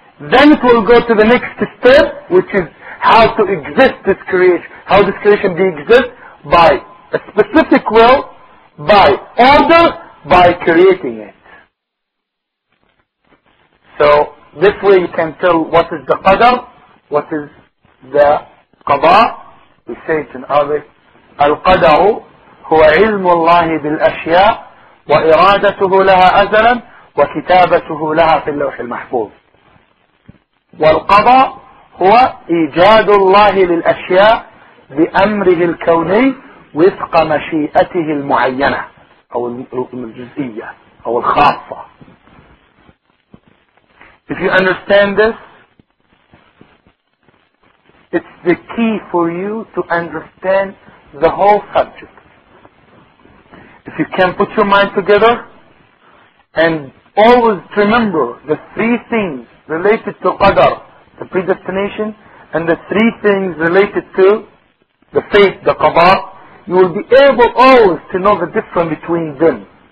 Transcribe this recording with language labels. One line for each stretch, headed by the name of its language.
English: Then it will go to the next step, which is how to exist this creation, how this creation be exist by a specific will, by order, by creating it. So, this way you can tell what is the Qadar, what is the Qadha. We say it in Arabic,
Arabic: Al-Qadaru, huwa ilmu Allahi bil-ashya, وإرادته لها أزلا وكتابته لها في اللوح المحفوظ والقضاء هو إيجاد الله للأشياء بأمره الكوني وفق مشيئته المعينة أو الجزئية أو الخاصة.
English: If you understand this, it's the key for you to understand the whole subject. If you can put your mind together and always remember the three things related to Qadar, the predestination, and the three things related to the faith, the Qadha, you will be able always to know the difference between them.